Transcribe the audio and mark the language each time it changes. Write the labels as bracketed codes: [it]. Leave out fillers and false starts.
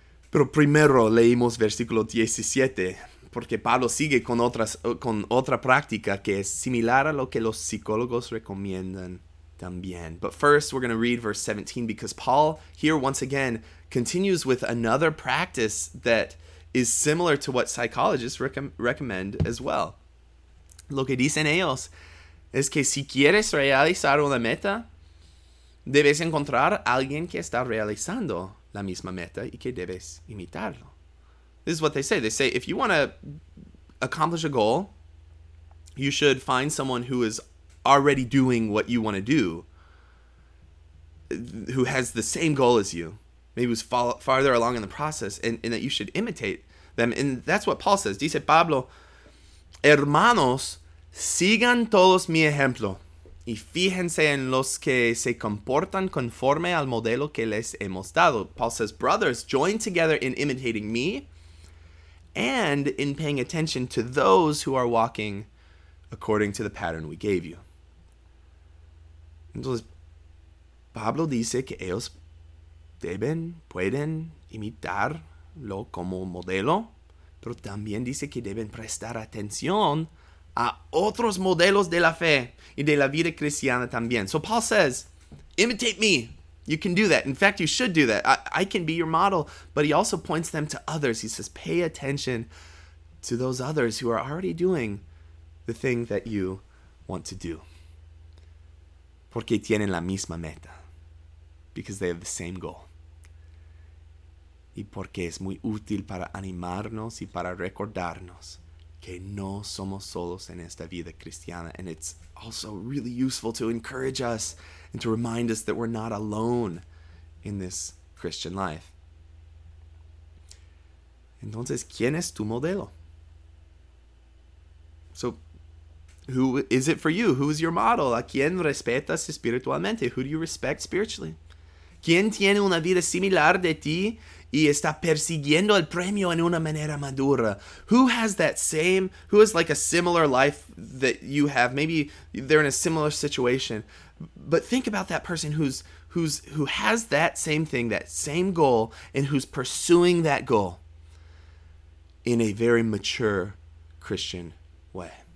[es] Pero primero leímos versículo 17, porque Pablo sigue con otra práctica que es similar a lo que los psicólogos recomiendan también. [en] But first, we're going to read verse 17, because Paul here once again continues with another practice that is similar to what psychologists recommend as well. [es] Lo que dicen ellos es que si quieres realizar una meta, debes encontrar a alguien que está realizando la misma meta y que debes imitarlo. [en] This is what they say. They say, if you want to accomplish a goal, you should find someone who is already doing what you want to do, who has the same goal as you, maybe who's farther along in the process, and that you should imitate them. And that's what Paul says. [es] Dice Pablo, hermanos, sigan todos mi ejemplo y fíjense en los que se comportan conforme al modelo que les hemos dado. [en] Paul says, brothers, join together in imitating me and in paying attention to those who are walking according to the pattern we gave you. [es] Entonces, Pablo dice que ellos pueden imitarlo como modelo, pero también dice que deben prestar atención a otros modelos de la fe y de la vida cristiana también. [en] So Paul says, imitate me. You can do that. In fact, you should do that. I can be your model. But he also points them to others. He says, pay attention to those others who are already doing the thing that you want to do. [es] Porque tienen la misma meta. [en] Because they have the same goal. [es] Y porque es muy útil para animarnos y para recordarnos que no somos solos en esta vida cristiana. [en] And it's also really useful to encourage us and to remind us that we're not alone in this Christian life. [es] Entonces, ¿quién es tu modelo? [en] So, who is it for you? Who is your model? [es] ¿A quién respetas espiritualmente? [en] Who do you respect spiritually? [es] ¿Quién tiene una vida similar de ti y está persiguiendo el premio en una manera madura? [en] Who has that same, who has like a similar life that you have? Maybe they're in a similar situation But think about that person who has that same thing, that same goal, and who's pursuing that goal in a very mature Christian way.